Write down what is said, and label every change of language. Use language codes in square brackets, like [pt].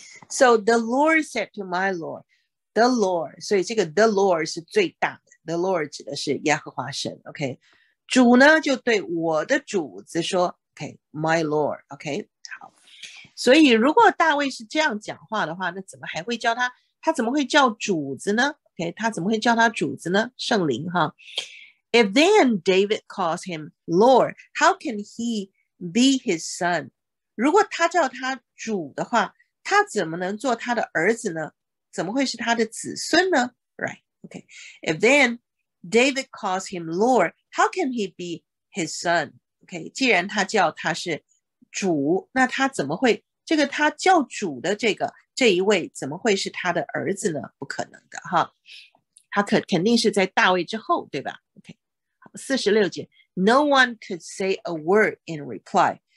[en] So the Lord said to my Lord, the Lord, [zh] 所以这个 the Lord 是最大的 the Lord 指的是耶和华神 OK, 主呢就对我的主子说 OK, my Lord, OK, 好所以如果大卫是这样讲话的话那怎么还会叫他怎么会叫主子呢 OK, 他怎么会叫他主子呢圣灵哈 [en] If then David calls him Lord, how can he be his son? [zh] 如果他叫他主的话他怎么能做他的儿子呢？怎么会是他的子孙呢 ？ [en] Right? Okay. If then David calls him Lord, how can he be his son? Okay. [zh] 既然他叫他是主，那他怎么会这个他叫主的这一位怎么会是他的儿子呢？不可能的哈。他肯定是在大卫之后，对吧 ？Okay. [en] 好，46节 ，No one could say a word in reply.